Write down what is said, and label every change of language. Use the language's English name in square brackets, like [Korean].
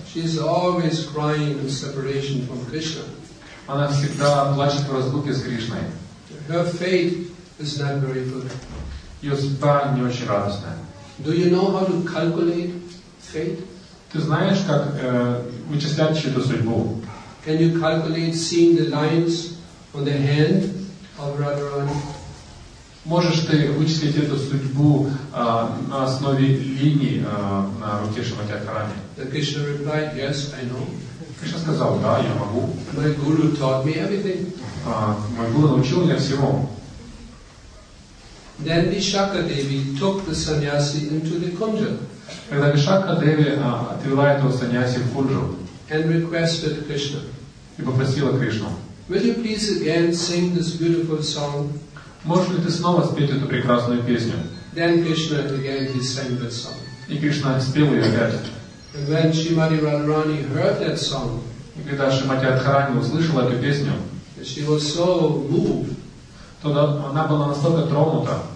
[English] She is always crying in separation from Krishna. [Russian] Она всегда плачет в разлуке с Кришной. [English] Her fate is not very good. [Russian] Ее судьба не очень радостная. [English] Do you know how to calculate fate? [Russian] Ты знаешь, как вычислять чью-то судьбу? [English] Can you calculate seeing the lines on the hand of Radharani? [Russian] Можешь ты вычислить эту судьбу на основе линий на руке Шримати Радхарани? [English] The Krishna replied, yes, I know. [Russian] Кришна сказал, да, я могу. [English] My guru taught me everything. [Russian] Мой гуру научил меня всему. [English] Then Vishakha Devi took the sannyasi into the kunja. [Russian] Когда Вишакха Деви отвела этого саньяси в куджу [English] and requested Krishna, [Russian] и попросила Кришну, [English] will you please again sing this beautiful song? [Russian] Можешь ли ты снова спеть эту прекрасную песню? [English] Then Krishna again he sang that song. [Russian] И Кришна спел ее опять. [English] And when Srimati Radharani heard that song, [Russian] и когда Шримати Радхарани услышала эту песню, [English] she was so moved, [Russian] то она была настолько тронута.